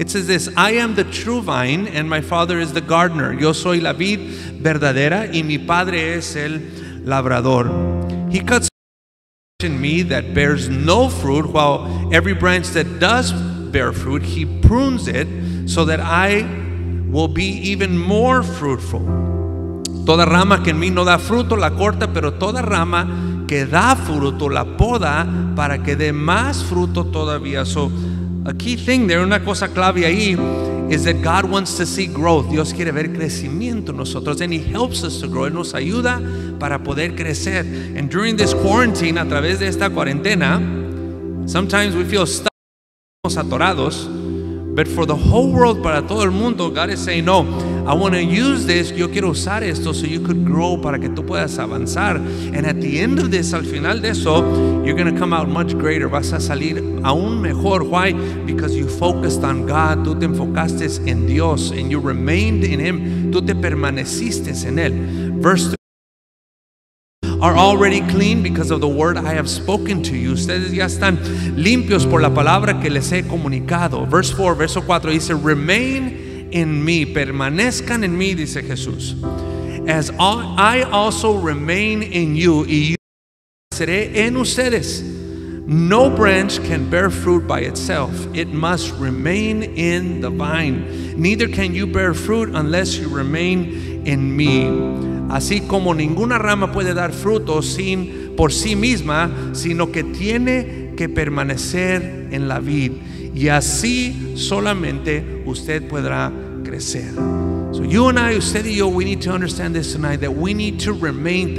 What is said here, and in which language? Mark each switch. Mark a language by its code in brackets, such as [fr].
[en] It says this, I am the true vine and my father is the gardener. [es] Yo soy la vid verdadera y mi padre es el labrador. [en] He cuts in me that bears no fruit, while every branch that does bear fruit, he prunes it so that I will be even more fruitful. [es] Toda rama que en mí no da fruto la corta, pero toda rama que da fruto la poda para que dé más fruto todavía. [en] So a key thing there, [es] una cosa clave ahí, [en] is that God wants to see growth. [es] Dios quiere ver crecimiento en nosotros. [en] And He helps us to grow. [es] Él nos ayuda para poder crecer. [en] And during this quarantine, [es] a través de esta cuarentena, [en] sometimes we feel stuck, atorados. But for the whole world, [es] para todo el mundo, [en] God is saying, no, I want to use this, [es] yo quiero usar esto, [en] so you could grow, [es] para que tú puedas avanzar. [en] And at the end of this, [es] al final de eso, [en] you're going to come out much greater, [es] vas a salir aún mejor. [en] Why? Because you focused on God, [es] tú te enfocaste en Dios, [en] and you remained in Him, [es] tú te permaneciste en Él. [en] Verse 3. Are already clean because of the word I have spoken to you. [es] Ustedes ya están limpios por la palabra que les he comunicado. [en] Verse 4, [es] verso 4 dice, remain en mí, permanezcan en mí, dice Jesús. [en] As I also remain in you, [es] y yo seré en ustedes. [en] No branch can bear fruit by itself. It must remain in the vine. Neither can you bear fruit unless you remain in me. [es] Así como ninguna rama puede dar fruto sin por sí misma, sino que tiene que permanecer en la vid. Y así solamente usted podrá crecer. [en] So you and I, [es] usted y yo, [en] we need to understand this tonight, that we need to remain.